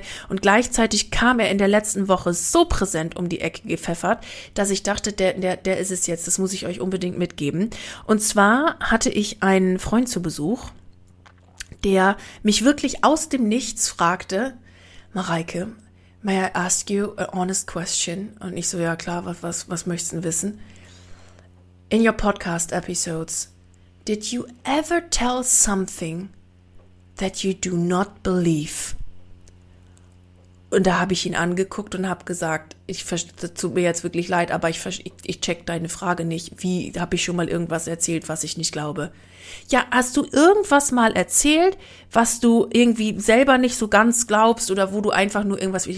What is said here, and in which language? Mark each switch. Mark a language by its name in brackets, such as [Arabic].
[German] Und gleichzeitig kam er in der letzten Woche so präsent um die Ecke gepfeffert, dass ich dachte, der ist es jetzt, das muss ich euch unbedingt mitgeben. Und zwar hatte ich einen Freund zu Besuch, der mich wirklich aus dem Nichts fragte, Mareike, [English] may I ask you an honest question? [German] Und ich so, ja klar, was möchtest du denn wissen? [English] In your podcast episodes, did you ever tell something that you do not believe? [German] Und da habe ich ihn angeguckt und habe gesagt, das tut mir jetzt wirklich leid, aber ich check deine Frage nicht. Wie habe ich schon mal irgendwas erzählt, was ich nicht glaube? Ja, hast du irgendwas mal erzählt, was du irgendwie selber nicht so ganz glaubst oder wo du einfach nur irgendwas...